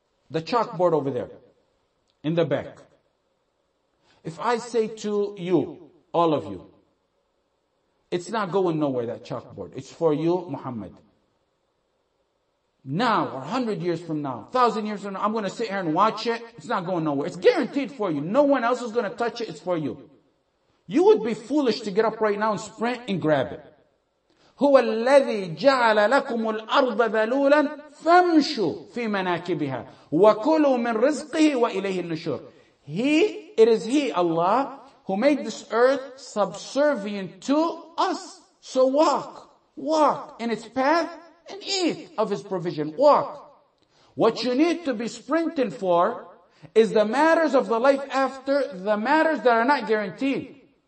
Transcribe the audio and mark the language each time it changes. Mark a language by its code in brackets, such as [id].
[en] The chalkboard over there. In the back. If I say to you, all of you, it's not going nowhere, that chalkboard. It's for you, Muhammad. Now, or 100 years from now, 1,000 years from now, I'm going to sit here and watch it. It's not going nowhere. It's guaranteed for you. No one else is going to touch it. It's for you. You would be foolish to get up right now and sprint and grab it. [ar] هو الذي جعل لكم الأرض ذلولا فامشوا في مناكبها وكلوا من رزقه وإليه النشور. [en] It is He, Allah, who made this earth subservient to us. So walk, walk in its path and eat of His provision. Walk. What you need to be sprinting for is the matters of the life after, the matters that are not guaranteed.